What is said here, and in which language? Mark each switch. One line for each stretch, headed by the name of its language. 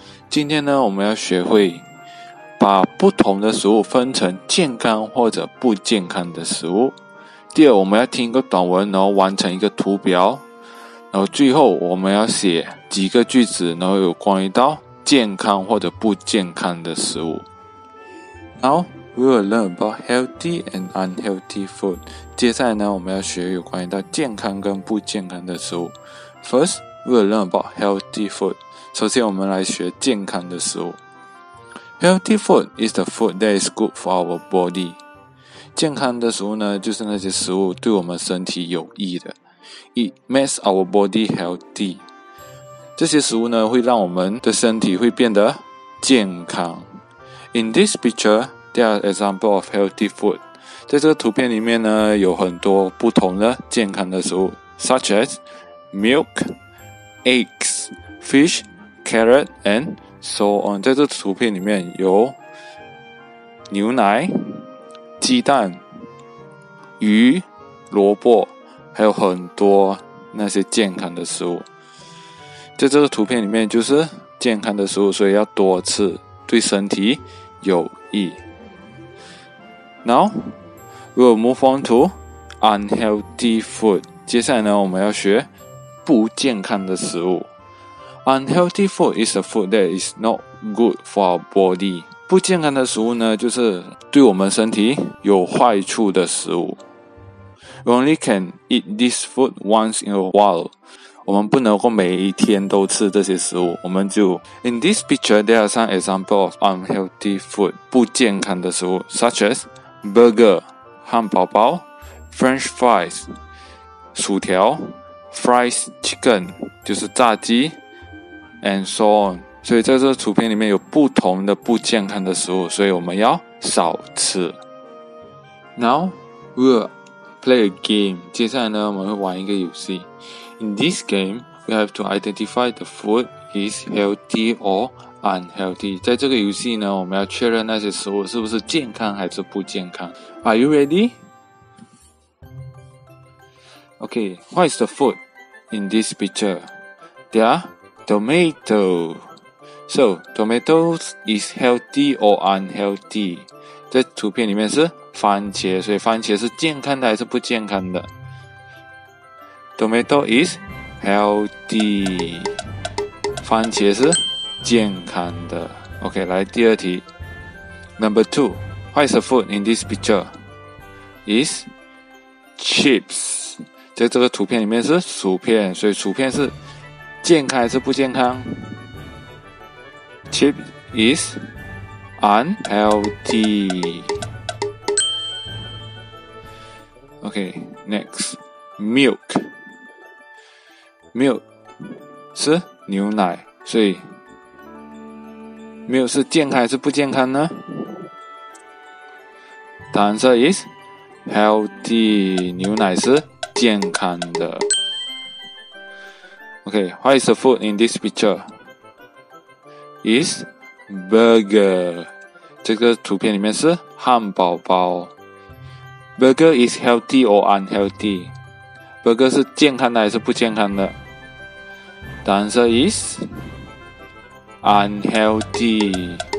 Chinese: 今天呢，我们要学会把不同的食物分成健康或者不健康的食物。第二，我们要听一个短文，然后完成一个图表，然后最后我们要写几个句子，然后有关于到健康或者不健康的食物。
English: Now we will learn about healthy and unhealthy food.
Chinese: 接下来呢，我们要学有关于到健康跟不健康的食物。
English: First, we will learn about healthy food.
Chinese: 首先，我们来学健康的食物。
English: Healthy food is the food that is good for our body.
Chinese: 健康的食物呢，就是那些食物对我们身体有益的。
English: It makes our body healthy.
Chinese: 这些食物呢，会让我们的身体会变得健康。
English: In this picture, there are examples of healthy food.
Chinese: 在这个图片里面呢，有很多不同的健康的食物 ，
English: such as milk, eggs, fish, carrot, and so on.
Chinese: 在这个图片里面有牛奶。鸡蛋、鱼、萝卜，还有很多那些健康的食物，在这个图片里面就是健康的食物，所以要多吃，对身体有益。
English: Now we will move on to unhealthy food.
Chinese: 接下来呢，我们要学不健康的食物。
English: Unhealthy food is a food that is not good for our body.
Chinese: 不健康的食物呢，就是对我们身体有坏处的食物。
English: We only can eat this food once in a while.
Chinese: 我们不能够每一天都吃这些食物。我们就
English: In this picture, there are some examples of unhealthy food,
Chinese: 不健康的食物
English: ，such as burger,
Chinese: 汉堡包
English: ，French fries,
Chinese: 薯条
English: ，fries chicken,
Chinese: 就是炸鸡
English: ，and so on.
Chinese: 所以在这个图片里面有不同的不健康的食物，所以我们要少吃。
English: Now we will play a game.
Chinese: 接下来呢，我们会玩一个游戏。
English: In this game, we have to identify the food is healthy or unhealthy.
Chinese: 在这个游戏呢，我们要确认那些食物是不是健康还是不健康。
English: Are you ready? Okay, what is the food in this picture? There are tomato. So, tomatoes is healthy or unhealthy?
Chinese: 在图片里面是番茄，所以番茄是健康的还是不健康的？
English: Tomato is healthy.
Chinese: 番茄是健康的。 OK, 来第二题。
English: Number two, what is the food in this picture? Is chips.
Chinese: 在这个图片里面是薯片，所以薯片是健康还是不健康？
English: Chip is unhealthy. Okay, next.
Chinese: Milk. Milk 是牛奶，所以 milk 是健康还是不健康呢？答案
English: is healthy.
Chinese: 牛奶是健康的。
English: Okay, what is the food in this picture? Is burger.
Chinese: 这个图片里面是汉堡包。
English: Burger is healthy or unhealthy?
Chinese: Burger 是健康的还是不健康的？答案是
English: is unhealthy.